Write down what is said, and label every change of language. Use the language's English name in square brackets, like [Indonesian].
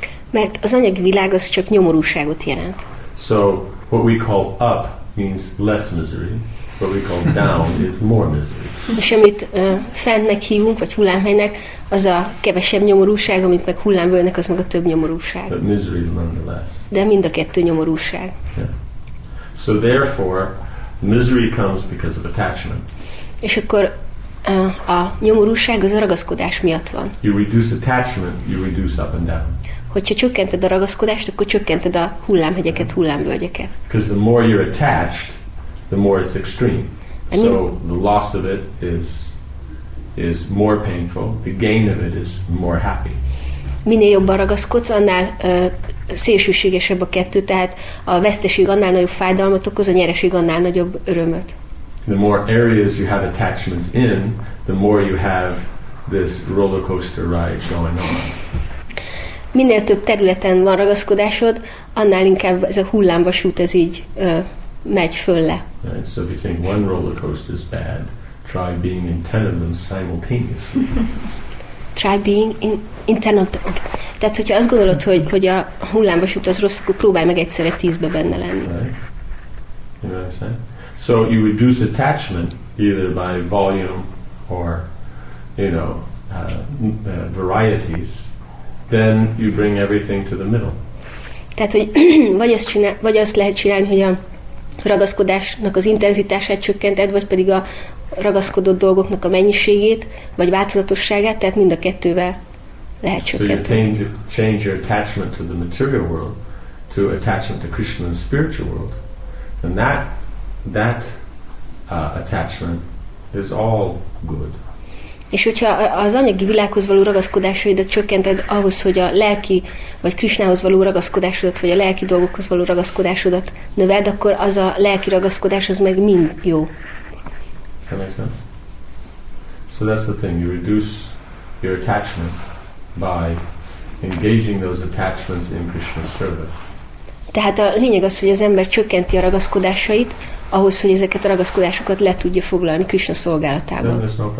[Hungarian] Mert az anyagi világ az csak nyomorúságot jelent. [English] So what we call up means less misery. What we call down is more misery. [Hungarian] És amit fennek hívunk, vagy hullámhelynek, az a kevesebb nyomorúság, amit meg hullámvölnek, az meg a több nyomorúság. [English] But misery nonetheless. [Hungarian] De mind a kettő nyomorúság. [English] Yeah. So therefore, misery comes because of attachment. [Hungarian] És akkor a nyomorúság az a ragaszkodás miatt van. [English] You reduce attachment, you reduce up and down. [Hungarian] Hogyha csökkented a ragaszkodást, akkor csökkented a hullámhegyeket, hullámvölgyeket. [English] Because the more you're attached, the more it's extreme. So the loss of it is more painful, the gain of it is more happy. [Hungarian] Minél jobban ragaszkodsz, annál szélsőségesebb a kettő, tehát a veszteség annál nagyobb fájdalmat okoz, a nyereség annál nagyobb örömöt. [English] The more areas you have attachments in, the more you have this roller coaster ride going on. [Hungarian] Minél több területen van ragaszkodásod, annál inkább ez a hullámvasút ez így megy fölle. [English] Right, so if you think one roller coaster is bad, try being in 10 of them simultaneously. Try being in 10 of them. [Hungarian] Tehát, hogyha azt gondolod, hogy a hullámvasút az rossz, akkor próbálj meg egyszerre 10-be benne lenni. [English] Right. You know what I'm saying? So you reduce attachment either by volume or, you know, varieties, then you bring everything to the middle. [Hungarian] Tehát, hogy vagy azt lehet csinálni, hogy a ragaszkodásnak az intenzitását csökkented, vagy pedig a ragaszkodott dolgoknak a mennyiségét, vagy változatosságát, tehát mind a kettővel lehet csökkenteni. [English] So you change your attachment to the material world to attachment to Krishna and spiritual world, and that attachment is all good. [Hungarian] És hogyha az anyagi világhoz való ragaszkodásodat csökkented ahhoz, hogy a lelki vagy Krisnához való ragaszkodásodat vagy a lelki dolgokhoz való ragaszkodásodat növeld, akkor az a lelki ragaszkodás az meg mind jó. [English] That makes sense? So that's the thing, you reduce your attachment by engaging those attachments in Krishna's service. [Hungarian] Tehát a lényeg az, hogy az ember csökkenti a ragaszkodásait, ahhoz, hogy ezeket a ragaszkodásokat le tudja foglalni Krishna szolgálatában.